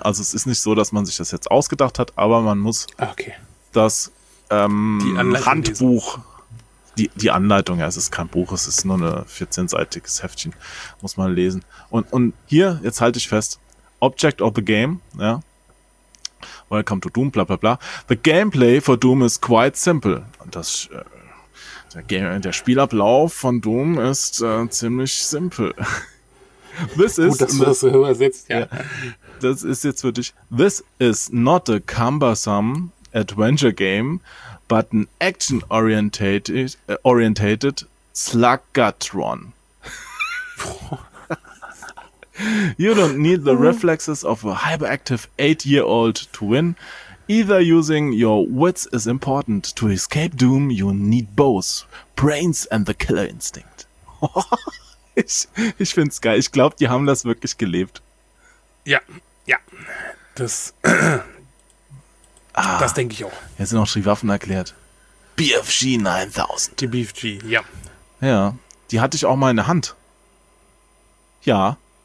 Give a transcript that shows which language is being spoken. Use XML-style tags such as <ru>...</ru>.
<de>Also es ist nicht so, dass man sich das jetzt ausgedacht hat, aber man muss das Handbuch, die Anleitung, ja, es ist kein Buch, es ist nur ein 14-seitiges Heftchen, muss man lesen. Und hier, jetzt halte ich fest,</de> <en>Object of the game,</en> <de>ja.</de> <en>Welcome to Doom, bla bla bla. The gameplay for Doom is quite simple.</en> <de>Das, der Spielablauf von Doom ist ziemlich simpel.</de> <en>This is,</en> <de>gut, dass du das so übersetzt, ja. Das ist jetzt für dich.</de> <en>This is not a cumbersome adventure game, but an action-orientated slug-gut-run. You don't need the reflexes of a hyperactive 8-year-old to win. Either using your wits is important. To escape Doom, you need both brains and the killer instinct.</en> <de>Ich find's geil. Ich glaube, die haben das wirklich gelebt. Ja. Das das denke ich auch. Jetzt sind auch schon die Waffen erklärt. BFG 9000. Die BFG, ja. Ja, die hatte ich auch mal in der Hand. Ja.</de>